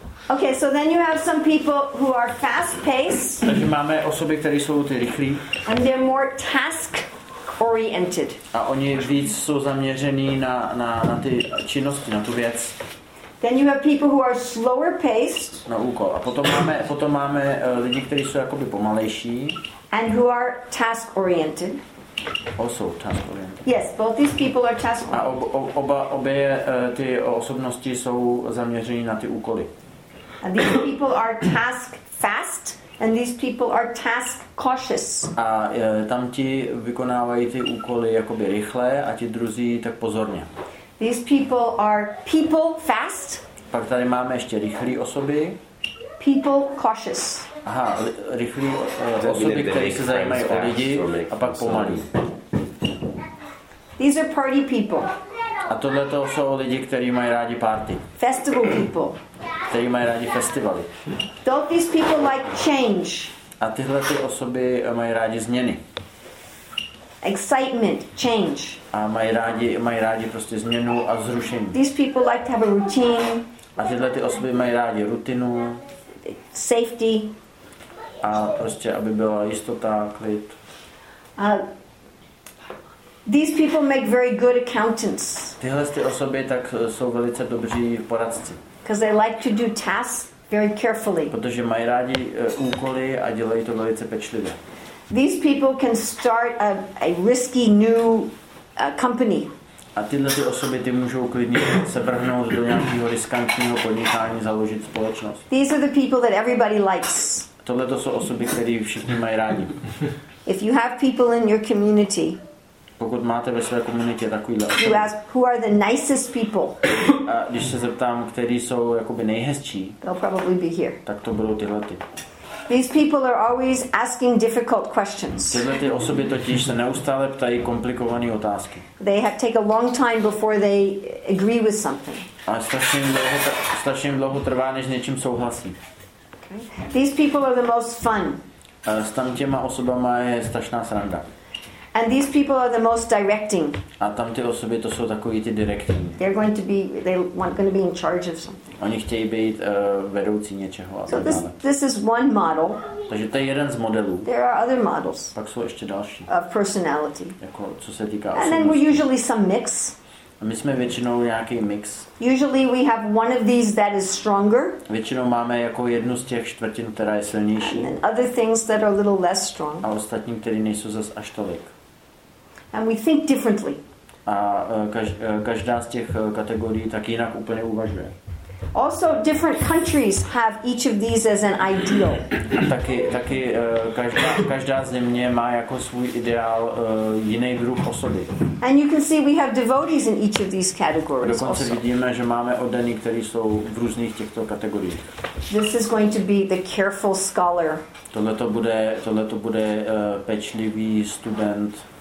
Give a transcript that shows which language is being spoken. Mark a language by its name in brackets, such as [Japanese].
[English] Okay, so then you have some people who are fast paced. [Czech] Takže máme osoby, které jsou ty rychlí. [English] And they're more task oriented. [Czech] A oni víc jsou zaměřený na ty činnosti, na tu věc. [English] Then you have people who are slower paced. [Czech] Na úkol. A potom máme lidi, kteří jsou jakoby pomalejší. [English] And who are task oriented. Also task oriented. Yes, both these people are task oriented. [Czech] A obě ty osobnosti jsou zaměřené na ty úkoly. [English] And these people are task fast and these people are task cautious. [Czech] A tamti vykonávají ty úkoly jakoby rychle a ti druzí tak pozorně. [English] These people are people fast. [Czech] Pak tady máme ještě rychlé osoby. [English] People cautious. [Czech] Aha, rychlí osoby, které se zajímají o lidi a pak pomalí. [English] These are party people. [Czech] A tohle to jsou lidi, kteří mají rádi party. [English] Festival people. [Czech] Kteří mají rádi festivaly. [English] Don't these people like change? [Czech] A tyhle ty osoby mají rádi změny. [English] Excitement, change. [Czech] A mají rádi prostě změnu a zrušení. [English] These people like to have a routine. [Czech] A tyhle ty osoby mají rádi rutinu. [English] Safety. [Czech] A prostě aby byla jistota, klid. [English] These people make very good accountants. [Czech] Tyhle ty osoby tak jsou velice dobří poradci. [English] Because they like to do tasks very carefully. [Czech] Protože mají rádi úkoly a dělají to velice pečlivě. [English] These people can start a risky new company. [Czech] A tyhle ty osoby ty můžou klidně se vrhnout do nějakého riskantního podnikání, založit společnost. [English] These are the people that everybody likes. [Czech] Tohle to jsou osoby, které všichni mají rádi. [English] If you have people in your community, [Czech] pokud máte ve své komunitě takovýhle osoby, [English] you ask who are the nicest people. [Czech] A když se zeptám, kteří jsou jakoby nejhezčí, [English] they'll probably be here. [Czech] Tak to budou tyhle ty. [English] These people are always asking difficult questions. [Czech] Tyhle ty osoby totiž se neustále ptají komplikované otázky. [English] They have take a long time before they agree with something. [Czech] A strašně dlouho trvá, než něčím souhlasí. [English] Okay. These people are the most fun. [Czech] S tam těma osobama je strašná sranda. [English] And these people are the most directing. [Czech] A tam ty osoby to jsou takový ty direktivní. [English] They're going to be, they want going to be in charge of something. [Czech] Oni chtějí být vedoucí něčeho. [English] So this is one model. [Czech] Takže to je jeden z modelů. [English] There are other models. [Czech] Pak jsou ještě další. [English] Of personality. [Czech] Jako co se týká osobnosti. [English] And then we're usually some mix. [Czech] A my jsme většinou nějaký mix. [English] Usually we have one of these that is stronger. [Czech] Většinou máme jako jednu z těch čtvrtin, která je silnější. [English] And other things that are a little less strong. [Czech] A ostatní, které nejsou zas až tolik. [English] And we think differently. [Czech] A každá z těch kategorií tak jinak úplně uvažuje. [English] Also different countries have each of these as an ideal. [Czech] A taky každá země má jako svůj ideál jiný druh osoby. [English] And you can see we have devotees in each of these categories. [Czech] Dokonce vidíme, že máme oddaní, kteří jsou v různých těchto kategoriích. [English] This is going to be the careful scholar. [Czech] Tohle to bude pečlivý student.